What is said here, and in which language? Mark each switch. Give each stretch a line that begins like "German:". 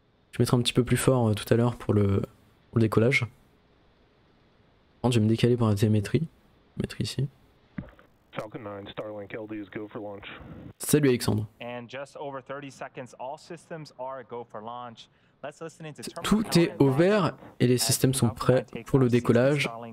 French: Je mettrai un petit peu plus fort tout à l'heure pour le décollage. Je vais me décaler pour la télémétrie. Je vais mettre ici.
English: Falcon 9, Starlink, LD is go for launch.
French: Salut Alexandre.
English: And just over 30 seconds, all systems are go for launch.
French: Tout est au vert et les systèmes sont prêts pour le décollage.